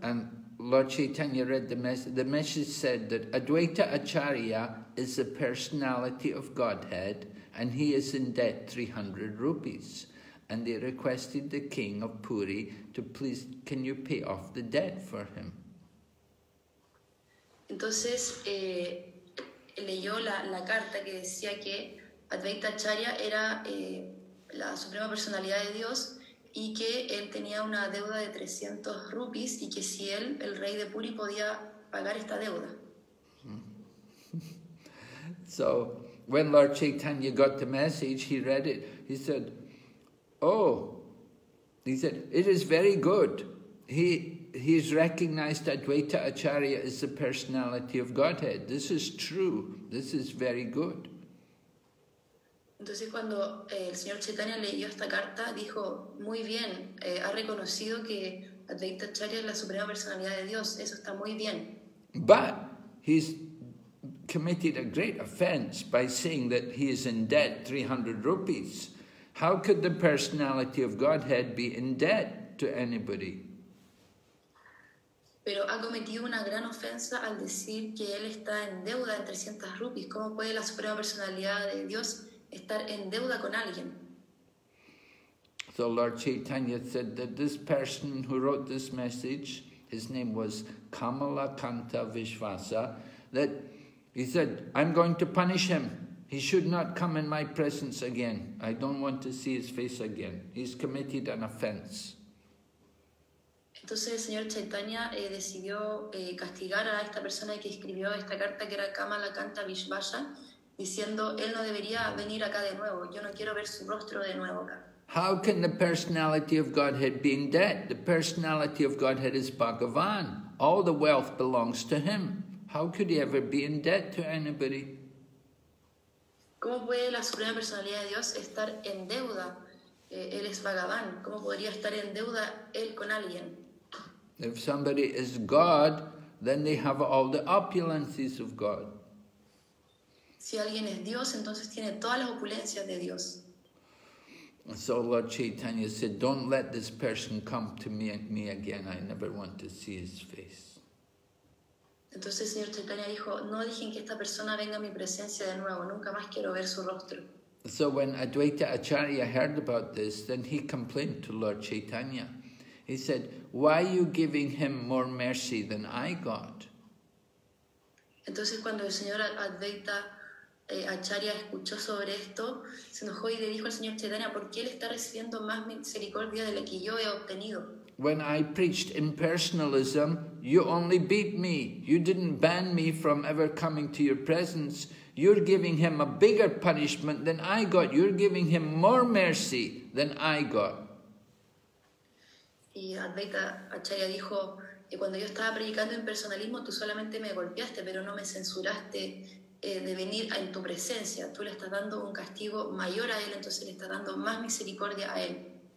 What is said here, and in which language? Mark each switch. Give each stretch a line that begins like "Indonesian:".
English: And Lord Chaitanya read the message. The message said that Advaita Acharya is the personality of Godhead and he is in debt 300 rupees. And they requested the king of Puri to please, can you pay off the debt for him?
Spanish: Entonces, leyó la carta que decía que Advaita Acharya era la suprema personalidad de Dios y que él tenía una deuda de 300 rupees y que si él, el rey de Puri, podía pagar esta deuda.
English: So, when Lord Chaitanya got the message, he read it, he said, oh, he said, it is very good. He's recognized Advaita Acharya as the personality of Godhead. This is true. This is very good.
Spanish: Entonces cuando el señor Chaitanya leyó esta carta, dijo, muy bien, ha reconocido que Advaita Acharya es la suprema personalidad de Dios, eso está muy bien.
English: But he's committed a great offense by saying that he is in debt 300 rupees. How could the personality of Godhead be in debt to anybody?
Spanish: Pero ha cometido una gran ofensa al decir que él está en deuda de 300 rupees. ¿Cómo puede la suprema personalidad de Dios estar en deuda con alguien?
English: So Lord Chaitanya said that this person who wrote this message, his name was Kamala Kanta Vishvasa, that he said, I'm going to punish him. He should not come in my presence again. I don't want to see his face again. He's committed an offense.
Spanish: Entonces el señor Chaitanya decidió castigar a esta persona que escribió esta carta, que era Kamala Kanta Vishvasa, diciendo, él no debería venir acá de nuevo. Yo no quiero ver su rostro de nuevo acá.
English: How can the personality of Godhead be in debt? The personality of Godhead is Bhagavan. All the wealth belongs to him. How could he ever be in debt to anybody?
Spanish: ¿Cómo puede la suprema personalidad de Dios estar en deuda? Él es Bhagavan. ¿Cómo podría estar en deuda él con alguien?
English: If somebody is God, then they have all the opulences of God.
Spanish: Si alguien es Dios, entonces tiene todas las opulencias de Dios.
English: So Lord Chaitanya said, don't let this person come to me again. I never want to see his face.
Spanish: Entonces el señor Chaitanya dijo, no dejen que esta persona venga a mi presencia de nuevo. Nunca más quiero ver su rostro.
English: So when Advaita Acharya heard about this, then he complained to Lord Chaitanya. He said, why are you giving him more mercy than I got?
Spanish: Entonces cuando el señor Advaita Acharya escuchó sobre esto, se enojó y le dijo al señor Chaitanya, ¿por qué él está recibiendo más misericordia de la que yo he obtenido?
English: When I preached impersonalism, you only beat me. You didn't ban me from ever coming to your presence. You're giving him a bigger punishment than I got. You're giving him more mercy than I got.
Spanish: Y Advaita Acharya dijo, cuando yo estaba predicando impersonalismo, tú solamente me golpeaste, pero no me censuraste de venir en tu presencia. Tú le estás dando un castigo mayor a él, entonces le estás dando más misericordia a él.